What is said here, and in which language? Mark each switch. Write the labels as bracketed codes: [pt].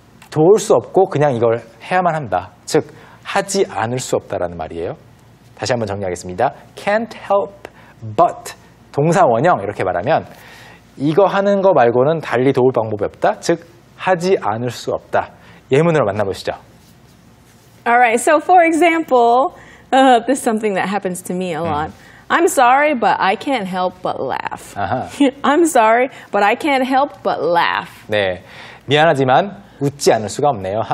[ko] 도울 수 없고 그냥 이걸 해야만 한다. 즉, 하지 않을 수 없다라는 말이에요. 다시 한번 정리하겠습니다. [en] Can't help but. [ko] 동사 원형 이렇게 말하면 이거 하는 거 말고는 달리 도울 방법이 없다. 즉, 하지 않을 수 없다. 예문으로 만나보시죠. [en] Alright, so for example, this is something that happens to me a lot. I'm sorry, but I can't help but laugh. Uh-huh. I'm sorry, but I can't help but laugh. [ko] 네, 미안하지만 웃지 않을 수가 없네요.